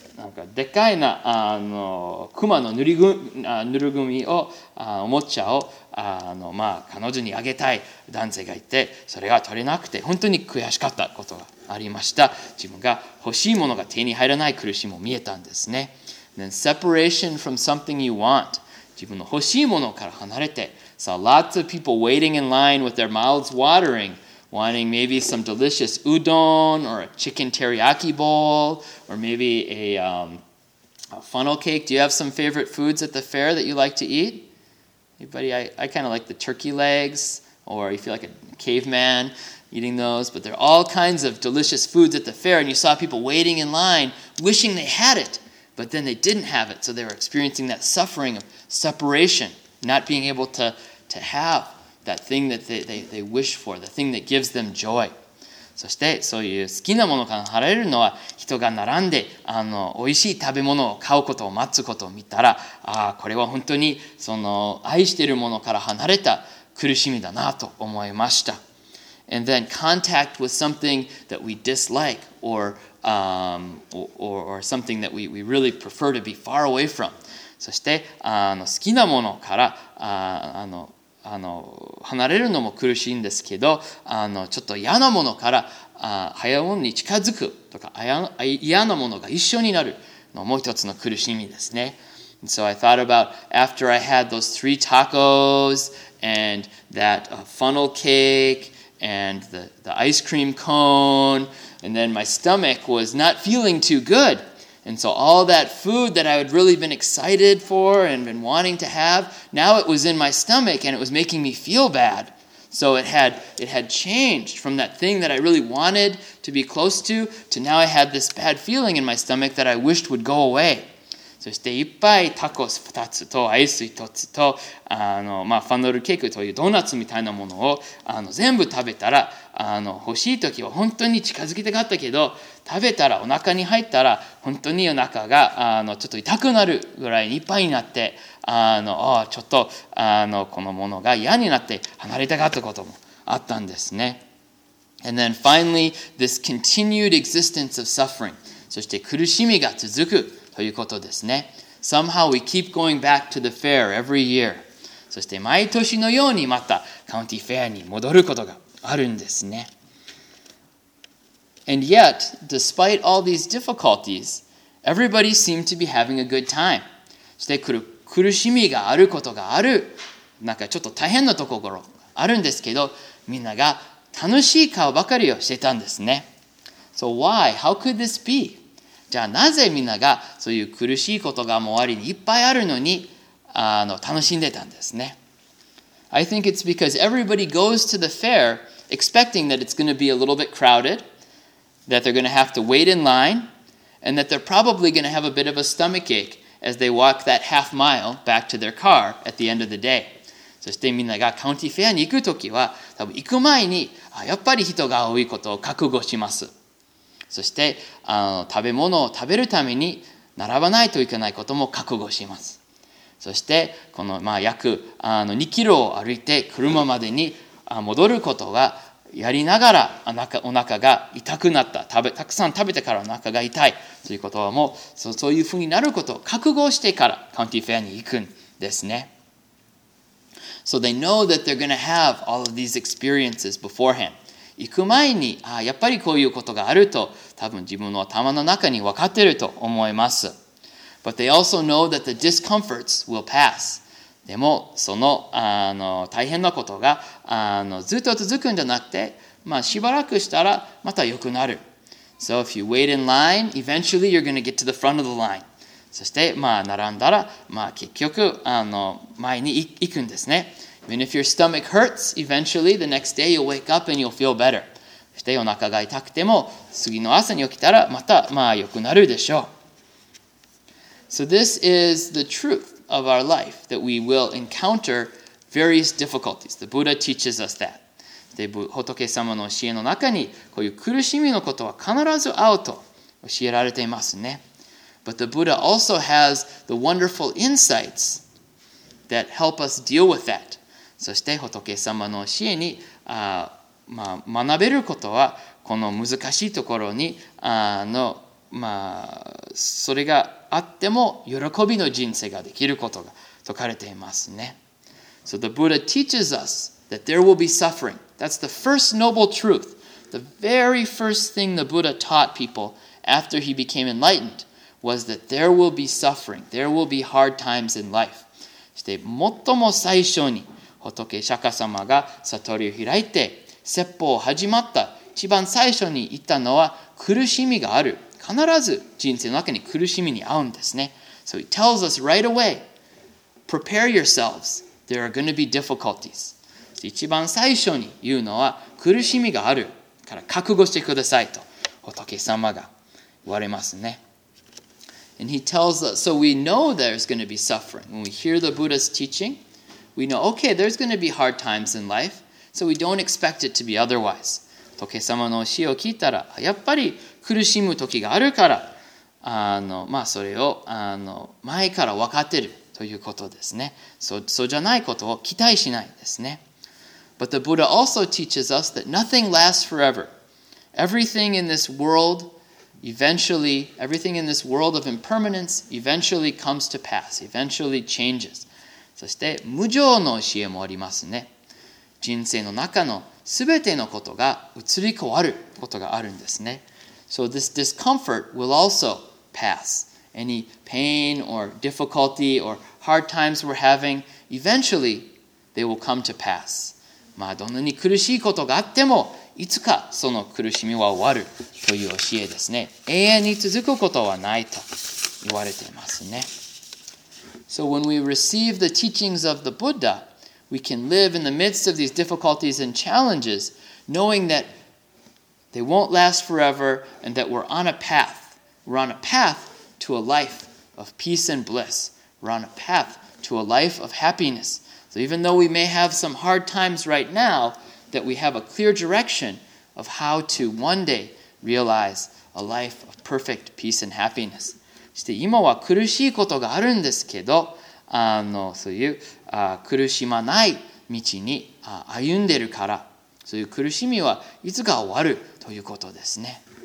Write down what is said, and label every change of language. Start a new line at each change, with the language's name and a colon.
Japanese: なんかでかいな、あの熊の塗り組みを、あおもちゃを、あの、まあ、彼女にあげたい男性がいて、それが取れなくて本当に悔しかったことがありました。自分が欲しいものが手に入らない苦しみも見えたんですね。
English: Then separation from something you want.
Japanese: 自分の欲しいものから離れて、
English: saw lots of people waiting in line with their mouths wateringWanting maybe some delicious udon or a chicken teriyaki bowl or maybe a funnel cake. Do you have some favorite foods at the fair that you like to eat? Anybody? I kind of like the turkey legs, or you feel like a caveman eating those. But there are all kinds of delicious foods at the fair, and you saw people waiting in line wishing they had it, but then they didn't have it. So they were experiencing that suffering of separation, not being able to have. That thing that they wish for, the thing that gives them joy.
Japanese: そしてそういう好きなものから離れるのは、人が並んで、あの、美味しい食べ物を買うことを待つことを見たら、ああ、これは本当にその愛しているものから離れた苦しみだなと思いました。
English: And then contact with something that we dislike or something that we really prefer to be far away from.
Japanese: そしてあの好きなものから、あの離れるのも苦しいんですけど、あのちょっと嫌なものから、あ早いものに近づくとか、嫌なものが一緒になるのも一つの苦しみですね。
English: And so I thought about after I had those three tacos and that funnel cake and the ice cream cone, and then my stomach was not feeling too good. And so all that food that I had really been excited for and been wanting to have, now it was in my stomach and it was making me feel bad. So it had changed from that thing that I really wanted to be close to now I had this bad feeling in my stomach that I wished would go away.
Japanese: そしていっぱいタコス2つとアイス1つと、あの、まあ、ファンドルケーキというドーナツみたいなものを、あの、全部食べたら、あの、欲しい時は本当に近づきたかったけど、食べたらお腹に入ったら本当にお腹が、あの、ちょっと痛くなるぐらいにいっぱいになって、あの、ちょっと、あの、このものが嫌になって離れたかったこともあったんですね。
English: And then finally this continued existence of suffering.
Japanese: そして苦しみが続くということですね。
English: Somehow we keep going back to the fair every year.
Japanese: そして毎年のようにまたカウンティフェアに戻ることがあるんですね。
English: And yet, despite all these difficulties, everybody seemed to be having a good time.
Japanese: そして苦しみがあることがある、なんかちょっと大変なところあるんですけど、みんなが楽しい顔ばかりをしてたんですね。
English: So why? How could this be?
Japanese: じゃあなぜみんながそういう苦しいことがもうありにいっぱいあるのに、あの、楽しんでたんですね。
English: I think it's because everybody goes to the fair expecting that it's going to be a little bit crowded, that they're going to have to wait in line, and that they're probably going to have a bit of a stomach ache as they walk that half mile back to their car at the end of the day.
Japanese: そしてみんながカウンティフェアに行くときは、多分行く前に、あ、やっぱり人が多いことを覚悟します。そして、あの、食べ物を食べるために並ばないといけないことも覚悟します。そして、この、まあ、約、あの、2キロを歩いて車までに戻ることがやりながら、お腹が痛くなった。たくさん食べてからお腹が痛い。ということはもう、そういうふうになることを覚悟してからカウンティフェアに行くんですね。
English: So they know that they're going to have all of these experiences beforehand.
Japanese: 行く前に、あ、やっぱりこういうことがあると、多分自分の頭の中に分かっていると思います。
English: But they also know that the discomforts will pass.
Japanese: でも、その、あの、大変なことが、あの、ずっと続くんじゃなくて、まあ、しばらくしたらまた良くなる。
English: So if you wait in line, eventually you're going to get to the front of the line.
Japanese: そして、まあ、並んだら、まあ、結局、あの、前に行くんですね。
English: Even if your stomach hurts, eventually the next day you'll wake up and you'll feel better.
Japanese: そしてお腹が痛くても、次の朝に起きたらまた、まあ、良くなるでしょう。
English: So this is the truth of our life, that we will encounter various difficulties. The Buddha teaches us that.
Japanese: で、仏様の教えの中に、こういう苦しみのことは必ず会うと教えられていますね。
English: But the Buddha also has the wonderful insights that help us deal with that.
Japanese: そして仏様の教えに、あ、まあ、学べることは、この難しいところに、あの、まあ、それがあっても喜びの人生ができることが説かれていますね。
English: So the Buddha teaches us that there will be suffering. That's the first noble truth. The very first thing the Buddha taught people after he became enlightened was that there will be suffering. There will be hard times in life.
Japanese: そして最も最初に仏釈迦様が悟りを開いて説法を始まった一番最初に言ったのは苦しみがある。必ず人生の中に苦しみに遭うんですね。
English: So he tells us right away, prepare yourselves. There are going to be difficulties.
Japanese: 一番最初に言うのは苦しみがあるから覚悟してくださいと仏様が言われますね。
English: And he tells us, so we know there's going to be suffering. When we hear the Buddha's teaching, we know, okay, there's going to be hard times in life, so we don't expect it to be otherwise.
Japanese: 仏様の教えを聞いたら、やっぱり苦しむ時があるから、まあ、それを前から分かっているということですね。そうじゃないことを期待しないですね。
English: But the Buddha also teaches us that nothing lasts forever. Everything in this world eventually, everything in this world of impermanence eventually comes to pass, eventually changes.
Japanese: そして、無常の教えもありますね。人生の中のすべてのことが移り変わることがあるんですね。
English: So this discomfort will also pass. Any pain or difficulty or hard times we're having, eventually they will come to pass.
Japanese: まあ、どんなに苦しいことがあっても、いつかその苦しみは終わるという教えですね。永遠に続くことはないと言われていますね。
English: So when we receive the teachings of the Buddha,We can live in the midst of these difficulties and challenges, knowing that they won't last forever and that we're on a path. We're on a path to a life of peace and bliss. We're on a path to a life of happiness. So even though we may have some hard times right now, that we have a clear direction of how to one day realize a life of perfect peace and happiness.
Japanese: そして今は苦しいことがあるんですけど、そういう苦しまない道に歩んでるから、そういう苦しみはいつか終わるということですね。